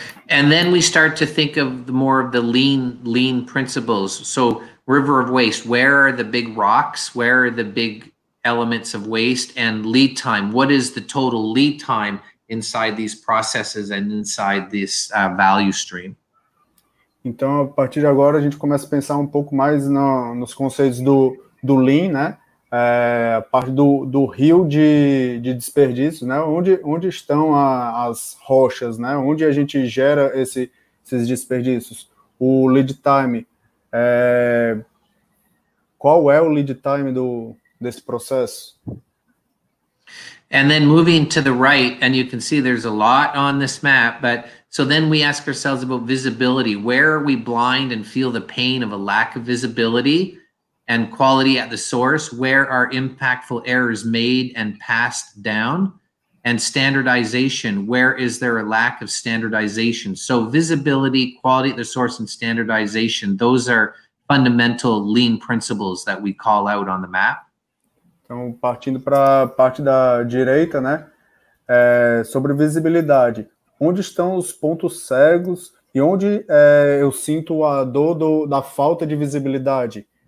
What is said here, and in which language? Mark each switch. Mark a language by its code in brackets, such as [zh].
[en] And then we start to think of more of the lean principles. So, river of waste, where are the big rocks? Where are the big elements of waste? And lead time, what is the total lead time inside these processes and inside this value stream? [pt] Então, a partir de agora, a gente começa a pensar um pouco mais nos conceitos do lean, né? A parte do rio de desperdício, né? Onde estão as rochas, né? Onde a gente gera esses desperdícios? O lead time. Qual é o lead time desse processo? [en] And then moving to the right, and you can see there's a lot on this map, but so then we ask ourselves about visibility. Where are we blind and feel the pain of a lack of visibility and quality at the source? Where are impactful errors made and passed down? And standardization, where is there a lack of standardization? So visibility, quality at the source, and standardization, those are fundamental lean principles that we call out on the map. [pt] Então, partindo para a parte da direita, né, sobre visibilidade, onde estão os pontos cegos e onde eu sinto a dor da falta de visibilidade?